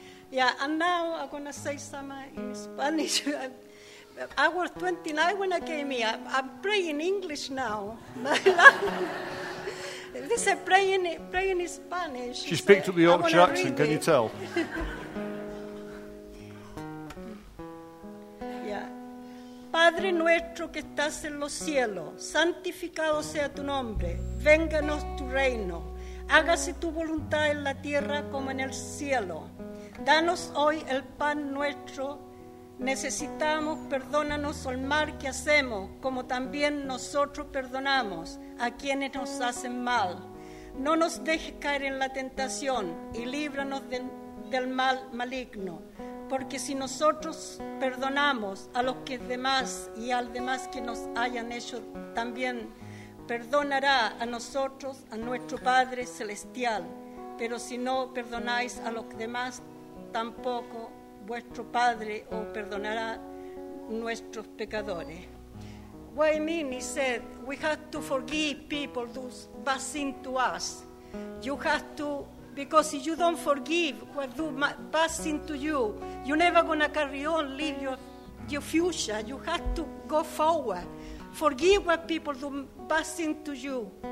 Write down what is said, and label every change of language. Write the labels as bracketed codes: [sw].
[en] Yeah, and now I'm going to say some in Spanish. I was 29 when I came here. I'm praying English now. This is praying in Spanish. She's picked up the Yorkshire accent, can you tell? [es] Padre nuestro que estás en los cielos, santificado sea tu nombre, vénganos tu reino, hágase tu voluntad en la tierra como en el cielo. Danos hoy el pan nuestro, necesitamos, perdónanos el mal que hacemos, como también nosotros perdonamos a quienes nos hacen mal. No nos dejes caer en la tentación y líbranos del mal maligno. Porque si nosotros perdonamos a los que demás y al demás que nos hayan hecho también, perdonará a nosotros, a nuestro Padre Celestial. Pero si no perdonáis a los demás, tampoco vuestro Padre os perdonará nuestros pecadores. [en] What I mean, he said, we have to forgive people those bad sin to us. You have to. Because if you don't forgive what do bad sin to you, you're never going to carry on, live your future. You have to go forward. Forgive what people do bad sin to you.